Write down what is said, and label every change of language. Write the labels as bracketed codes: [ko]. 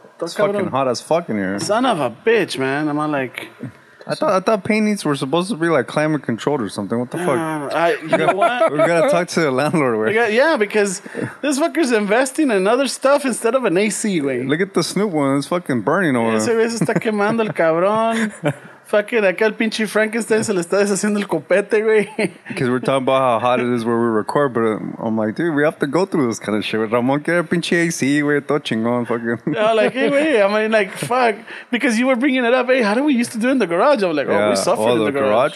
[en] It's fucking hot as fuck in here. Son of a bitch, man. Am I like... I thought paintings were supposed to be like climate controlled or something. What the fuck? You know what? We gotta talk to the landlord. Because this fucker's investing in other stuff instead of an AC, way. Look at the Snoop one. It's fucking burning over. [es] Ese vez está quemando el cabrón. Fucking, acá el pinche Frankenstein se le está deshaciendo el copete, güey. [en] Because we're talking about how hot it is where we record, but I'm like, dude, we have to go through this kind of shit. [es] Ramon quiere pinche AC, güey, todo chingón, fucking. [en] Yeah, like, hey, güey, I mean, like, fuck. Because you were bringing it up, hey, how do we used to do in the garage? I'm like, oh, yeah, we suffered in the garage.